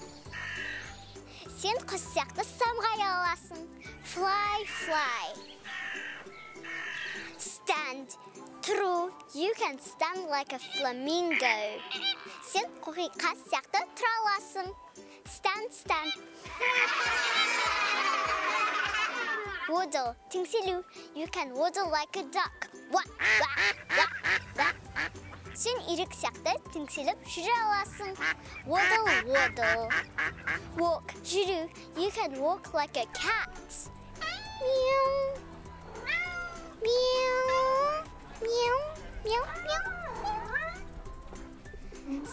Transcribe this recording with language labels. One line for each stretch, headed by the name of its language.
Kazakh: Сен құс сияқты самғай аласың.
English: Fly, fly. Stand. True, you can stand like a flamingo.
Kazakh: Сен қоқиқа сияқты тұра аласың.
English: Stand, stand. Waddle,
Kazakh: теңселу.
English: You can waddle like a duck. Wah, wah, wah, wah.
Kazakh: Сен ирек сияқты теңселіп жүре аласың.
English: Waddle, waddle. Walk,
Kazakh: жүру.
English: You can walk like a cat. Meow. Meow. Meow. Meow. Meow.